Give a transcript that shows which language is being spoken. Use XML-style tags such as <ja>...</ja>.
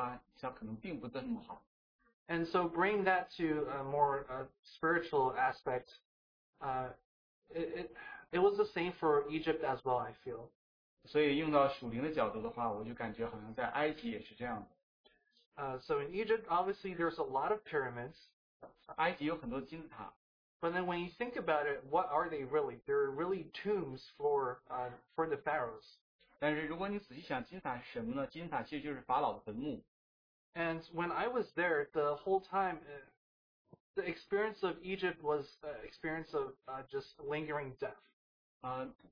<zh>我提过几次，有些东西看起来可能是很好看，但是当你去尝了它的味道，吃了它，它可能并不那么好。And</zh> <en>so bring that to a more spiritual aspect, it was the same for Egypt as well, I feel.</en> <zh>所以用到属灵的角度的话，我就感觉好像在埃及也是这样的。</zh> <en>So in Egypt, obviously, there's a lot of pyramids.</en> <zh>埃及有很多金字塔。</zh> <en>But then when you think about it, what are they really? They're really tombs for the pharaohs.</en> <zh>但是如果你仔细想，金字塔是什么呢？金字塔其实就是法老的坟墓。</zh> <en>And when I was there, the whole time, the experience of Egypt was the experience of just lingering death.</en>